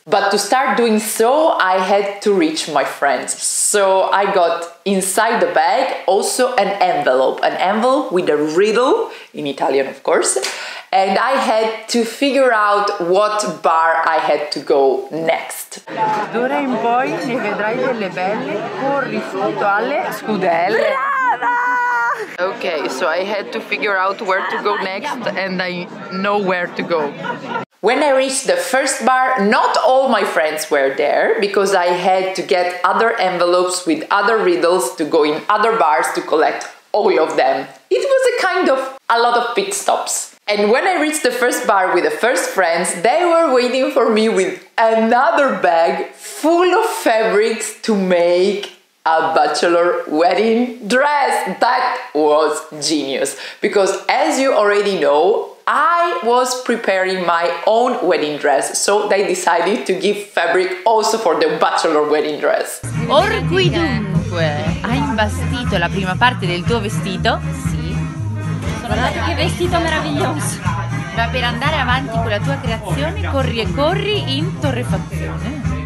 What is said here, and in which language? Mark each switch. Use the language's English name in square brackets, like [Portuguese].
[English] But to start doing so, I had to reach my friends. So I got inside the bag also an envelope with a riddle, in Italian of course, and I had to figure out what bar I had to go next. [Italian] D'ora in poi ne vedrai delle belle, corri subito alle scudelle. Brava! [English] Okay, so I had to figure out where to go next and I know where to go. When I reached the first bar, not all my friends were there because I had to get other envelopes with other riddles to go in other bars to collect all of them. It was a kind of a lot of pit stops. And when I reached the first bar with the first friends, they were waiting for me with another bag full of fabrics to make a bachelor wedding dress. That was genius. Because as you already know, I was preparing my own wedding dress. So they decided to give fabric also for the bachelor wedding dress. [Italian] Or qui dunque, hai imbastito la prima parte del tuo vestito? Guardate che vestito meraviglioso! Ma per andare avanti con la tua creazione, corri e corri in torrefazione.